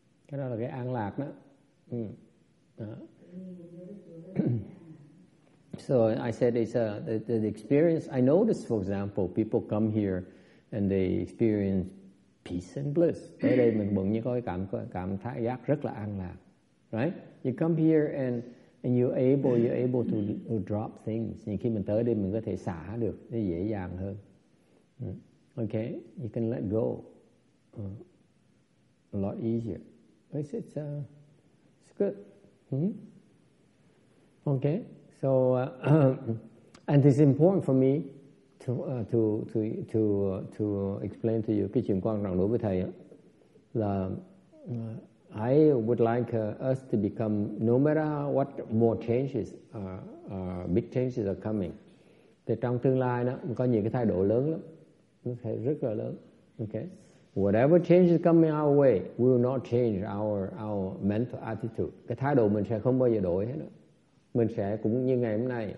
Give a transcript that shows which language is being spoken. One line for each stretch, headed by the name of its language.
Vietnamese: Cái đó là cái an lạc đó.
English: So I said it's the experience. I noticed, for example, people come here and they experience peace and bliss.
Vietnamese: Ở đây mình bỗng nhiên có cảm thấy giác rất là an lạc, right?
English: You come here and you're able to drop things.
Vietnamese: Nhưng khi mình tới đây mình có thể xả được, nó dễ dàng hơn.
English: Okay, you can let go a lot easier. It's good. Okay, so and it's important for me to explain to you
Vietnamese: cái chuyện quan trọng đối với thầy là
English: I would like us to become, no matter what more changes, big changes are coming.
Vietnamese: Thì trong tương lai đó có nhiều cái thay đổi lớn lắm. Rất là lớn. Okay.
English: Whatever change is coming our way, we will not change our mental attitude.
Vietnamese: Cái thái độ mình sẽ không bao giờ đổi hết nữa. Mình sẽ cũng như ngày hôm nay.